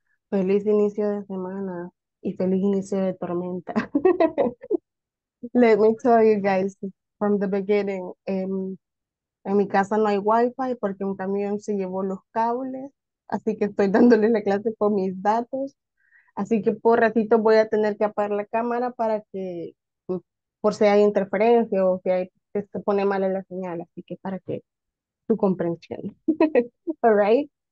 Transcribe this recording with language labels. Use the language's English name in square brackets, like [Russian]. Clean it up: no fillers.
[Spanish] Feliz inicio de semana y feliz inicio de tormenta. [English] Let me tell you guys from the beginning. [Spanish] En mi casa no hay wifi porque un camión se llevó los cables, así que estoy dándole la clase con mis datos. Así que por ratito voy a tener que apagar la cámara para que, por si hay interferencia o si hay, se pone mal la señal, así que para que tu comprensión. All right.